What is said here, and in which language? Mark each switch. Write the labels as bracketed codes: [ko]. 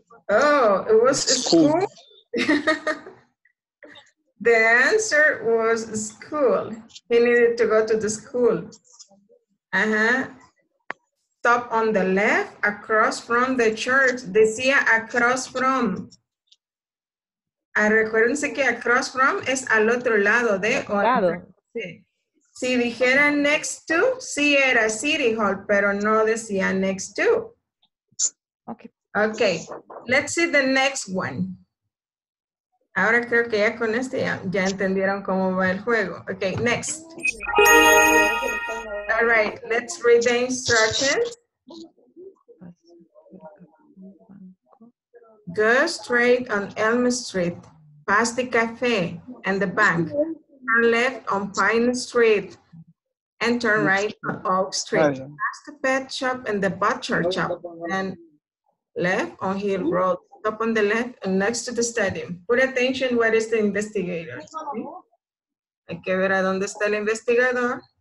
[en] Oh, it was school. The answer was school. He needed to go to the school. Stop on the left, across from the church. [es] Decía across from. Recuérdense que across from es al otro lado de. Lado. Sí. Si dijera next to, sí era City Hall, pero no decía next to. [en] Okay. Let's see the next one. [es] Ahora creo que ya con este ya entendieron cómo va el juego. [en] Okay, next. All right, let's read the instructions. Go straight on Elm Street, past the cafe and the bank. Turn left on Pine Street and turn right on Oak Street. Past the pet shop and the butcher shop. And left on Hill Road. Up on the left and next to the stadium. Put attention, where is the investigator? [es] ¿Sí? Hay que ver a dónde está el investigador.